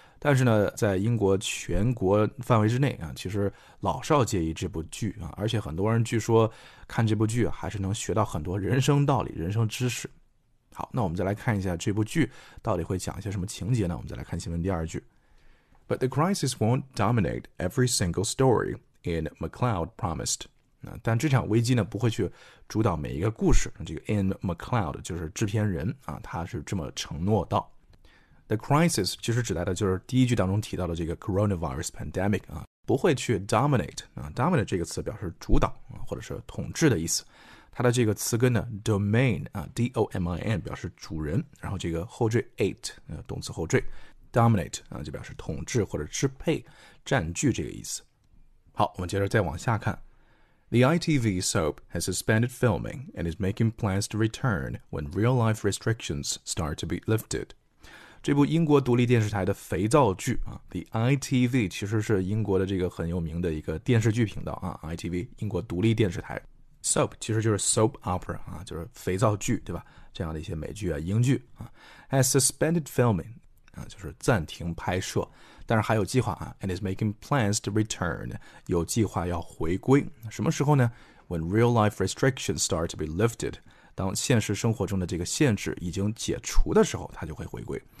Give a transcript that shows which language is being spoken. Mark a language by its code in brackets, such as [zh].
[zh] 但是呢在英国全国范围之内啊，其实老少皆宜这部剧啊，而且很多人据说看这部剧还是能学到很多人生道理，人生知识。好，那我们再来看一下这部剧到底会讲一些什么情节呢，我们再来看新闻第二句。 [en] But the crisis won't dominate every single story, Ian McLeod promised. [zh] 但这场危机呢不会去主导每一个故事，这个 Ian McLeod 就是制片人啊，他是这么承诺道。 The crisis 其实指代的就是第一句当中提到的这个 coronavirus pandemic 啊，不会去 dominate 啊， dominate 这个词表示主导啊，或者是统治的意思。它的这个词根呢 domain 啊 ，domin 表示主人，然后这个后缀 ate 啊，动词后缀 dominate 啊，就表示统治或者支配、占据这个意思。好，我们接着再往下看。 [en] The ITV soap has suspended filming and is making plans to return when real-life restrictions start to be lifted. [zh] 这部英国独立电视台的肥皂剧啊 ，The ITV 其实是英国的这个很有名的一个电视剧频道啊 ，ITV 英国独立电视台。 Soap 其实就是 soap opera 啊，就是肥皂剧，对吧？这样的一些美剧啊、英剧啊 ， has suspended filming 啊，就是暂停拍摄，但是还有计划啊 ， and is making plans to return，有计划要回归，什么时候呢 ？ When real life restrictions start to be lifted，当现实生活中的这个限制已经解除的时候，它就会回归。